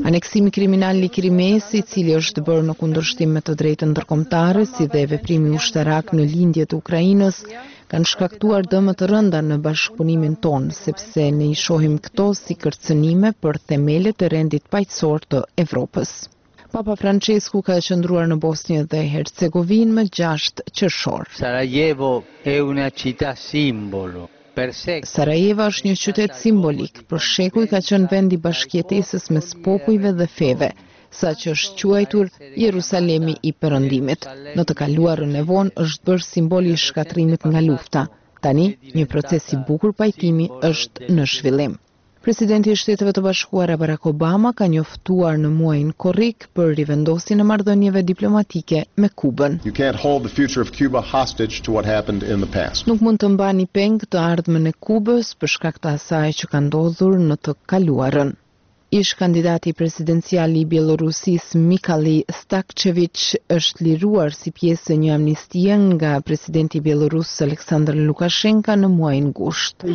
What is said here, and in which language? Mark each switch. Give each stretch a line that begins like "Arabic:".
Albanian: Aneksimi kriminal i Krimes, i cili është bërë në kundërshtim me të drejtën ndërkombëtare, si dhe veprimi ushtarak në lindjet e Ukrainës, kanë shkaktuar dëmë të rënda në bashkëpunimin tonë, sepse ne i shohim këto si kërcënime për themelet e rendit paqësor të Evropës. Papa Francesku ka qëndruar në Bosnjë dhe Hercegovinë më 6 qershor.
Italian: Sarajevo è una città simbolo.
Albanian: Sarajevo është një qytet simbolik, për shekuj ka qenë vendi bashkëjetesës mes popujve dhe feve, sa që është quajtur Jerusalemi i Perëndimit. Në të kaluarën e vonë është bërë simboli i shkatrimit nga lufta. Tani, një proces i bukur pajtimi është në zhvillim. Presidenti i Shteteve të Bashkuara Barack Obama ka njoftuar në muajin korrik për rivendosjen e marrëdhënieve diplomatike me Kubën.
English: You can't hold the future of Cuba hostage to what happened in the past.
Albanian: Nuk mund të mbani peng të ardhmen e Kubës për shkak të asaj që ka ndodhur në të kaluarën. Ish kandidati presidenciali i Bielorusis Mikhali Stakcevic është liruar si pjesë e një amnistie nga presidenti Bielorus Aleksandr Lukashenka në muajin gusht.